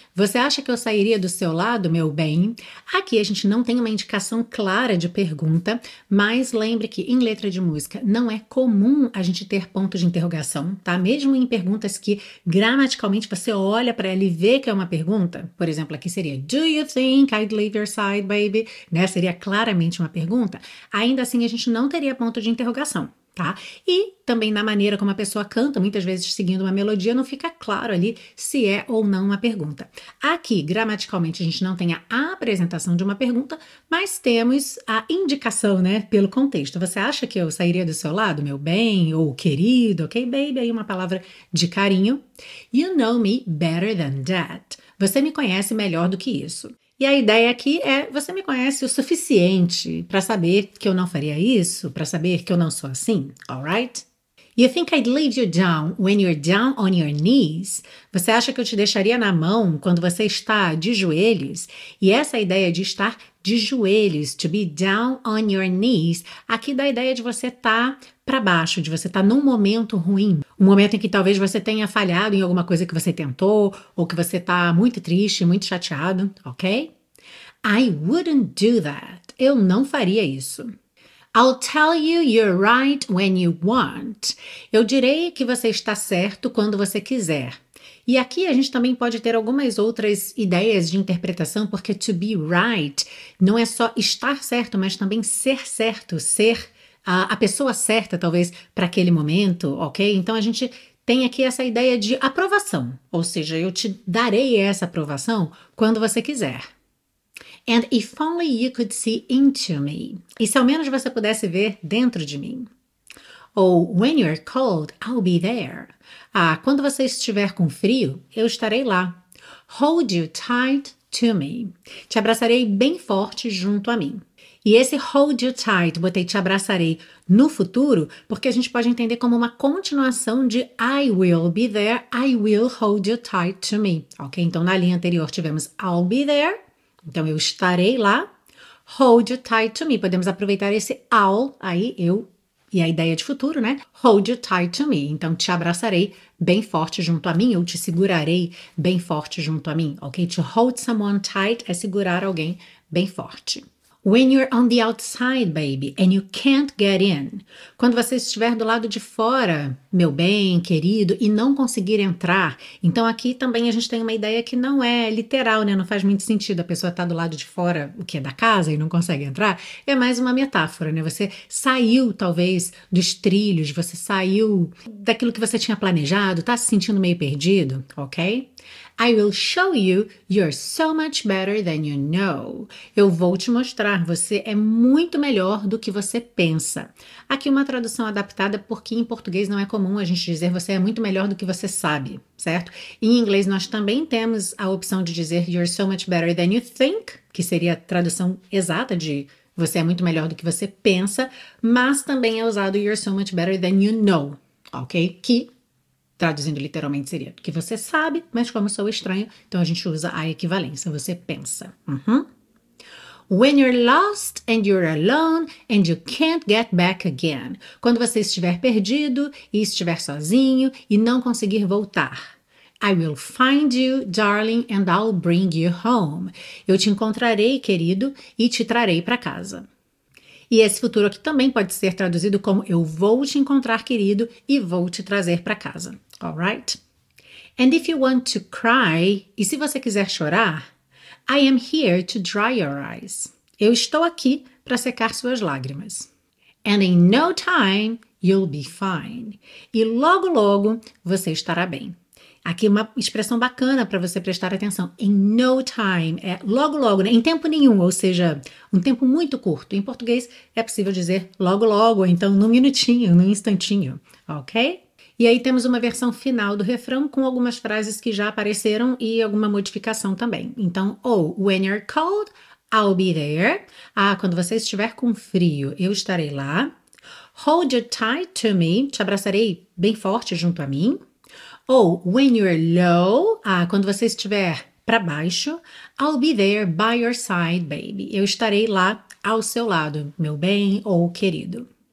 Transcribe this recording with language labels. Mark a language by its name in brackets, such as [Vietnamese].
[Portuguese] Você acha que eu sairia do seu lado, meu bem? Aqui a gente não tem uma indicação clara de pergunta, mas lembre que em letra de música não é comum a gente ter ponto de interrogação, tá? Mesmo em perguntas que gramaticalmente você olha para ela e vê que é uma pergunta. Por exemplo, aqui seria [English] Do you think I'd leave your side, baby? [Portuguese] Né? Seria claramente uma pergunta. Ainda assim, a gente não teria ponto de interrogação, tá? E também na maneira como a pessoa canta, muitas vezes seguindo uma melodia, não fica claro ali se é ou não uma pergunta. Aqui, gramaticalmente, a gente não tem a apresentação de uma pergunta, mas temos a indicação, né, pelo contexto. Você acha que eu sairia do seu lado, meu bem, ou querido, ok, baby? Aí uma palavra de carinho. [English] You know me better than that. [Portuguese] Você me conhece melhor do que isso. E a ideia aqui é, você me conhece o suficiente para saber que eu não faria isso, para saber que eu não sou assim, [English] alright? You think I'd leave you down when you're down on your knees? [Portuguese] Você acha que eu te deixaria na mão quando você está de joelhos? E essa ideia de estar de joelhos, [English] to be down on your knees, [Portuguese] aqui dá a ideia de você estar para baixo, de você estar num momento ruim. Um momento em que talvez você tenha falhado em alguma coisa que você tentou, ou que você está muito triste, muito chateado, ok? [English] I wouldn't do that. [Portuguese] Eu não faria isso. [English] I'll tell you you're right when you want. [Portuguese] Eu direi que você está certo quando você quiser. E aqui a gente também pode ter algumas outras ideias de interpretação, porque [English] to be right [Portuguese] não é só estar certo, mas também ser certo, ser a pessoa certa, talvez, para aquele momento, ok? Então, a gente tem aqui essa ideia de aprovação, ou seja, eu te darei essa aprovação quando você quiser. [English] And if only you could see into me. [Portuguese] E se ao menos você pudesse ver dentro de mim. [English] Ou when you're cold, I'll be there. [Portuguese] Ah, quando você estiver com frio, eu estarei lá. [English] Hold you tight to me. [Portuguese] Te abraçarei bem forte junto a mim. E esse [English] hold you tight, [Portuguese] botei te abraçarei no futuro, porque a gente pode entender como uma continuação de [English] I will be there, I will hold you tight to me. [Portuguese] Ok, então na linha anterior tivemos [English] I'll be there. [Portuguese] Então, eu estarei lá, [English] hold you tight to me. [Portuguese] Podemos aproveitar esse I'll, aí eu e a ideia de futuro, né? [English] Hold you tight to me. [Portuguese] Então, te abraçarei bem forte junto a mim, eu te segurarei bem forte junto a mim, ok? [English] To hold someone tight [Portuguese] é segurar alguém bem forte. [English] When you're on the outside, baby, and you can't get in. [Portuguese] Quando você estiver do lado de fora, meu bem, querido, e não conseguir entrar. Então, aqui também a gente tem uma ideia que não é literal, né? Não faz muito sentido a pessoa estar do lado de fora, o que é da casa, e não consegue entrar. É mais uma metáfora, né? Você saiu, talvez, dos trilhos, você saiu daquilo que você tinha planejado, tá se sentindo meio perdido, ok? [English] I will show you you're so much better than you know. [Portuguese] Eu vou te mostrar, você é muito melhor do que você pensa. Aqui uma tradução adaptada porque em português não é comum a gente dizer você é muito melhor do que você sabe, certo? Em inglês nós também temos a opção de dizer [English] you're so much better than you think, [Portuguese] que seria a tradução exata de você é muito melhor do que você pensa, mas também é usado [English] you're so much better than you know, [Portuguese] ok? Que traduzindo literalmente seria que você sabe, mas como sou estranho, então a gente usa a equivalência, você pensa. Uhum. [English] When you're lost and you're alone and you can't get back again. [Portuguese] Quando você estiver perdido e estiver sozinho e não conseguir voltar. [English] I will find you, darling, and I'll bring you home. [Portuguese] Eu te encontrarei, querido, e te trarei para casa. E esse futuro aqui também pode ser traduzido como eu vou te encontrar, querido, e vou te trazer para casa. [English] Alright? And if you want to cry, [Portuguese] e se você quiser chorar, [English] I am here to dry your eyes. [Portuguese] Eu estou aqui para secar suas lágrimas. [English] And in no time, you'll be fine. [Portuguese] E logo, logo, você estará bem. Aqui uma expressão bacana para você prestar atenção. [English] In no time, [Portuguese] é logo, logo, né? Em tempo nenhum, ou seja, um tempo muito curto. Em português, é possível dizer logo, logo, então num minutinho, num instantinho, ok? E aí temos uma versão final do refrão com algumas frases que já apareceram e alguma modificação também. [English] Então, ou, oh, when you're cold, I'll be there. [Portuguese] Ah, quando você estiver com frio, eu estarei lá. [English] Hold you tight to me, [Portuguese] te abraçarei bem forte junto a mim. [English] Ou, oh, when you're low, [Portuguese] ah, quando você estiver para baixo, [English] I'll be there by your side, baby. [Portuguese] Eu estarei lá ao seu lado, meu bem ou querido.